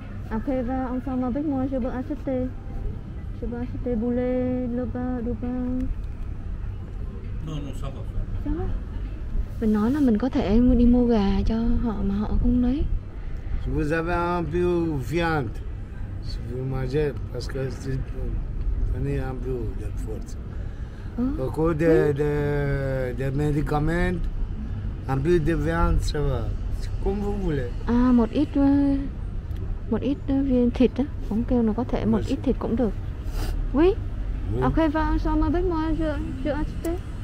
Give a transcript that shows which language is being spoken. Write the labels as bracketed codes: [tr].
[fr] Après va ensemble avec moi, je veux acheter boulet, le pain, du pain. Non, ça va. Ça va. [vi] Mình nói là mình có thể đi mua gà cho họ mà họ không lấy. [fr] Si vous avez un peu de viande, si vous mangez, parce que si vous avez un peu de force. Beaucoup de médicaments, un peu de viande, ça va. C'est comme vous voulez. [vi] Ah, một ít viên thịt á, cũng kêu là có thể một ít thịt cũng được. [fr] Oui. Après va ensemble avec moi, je acheter.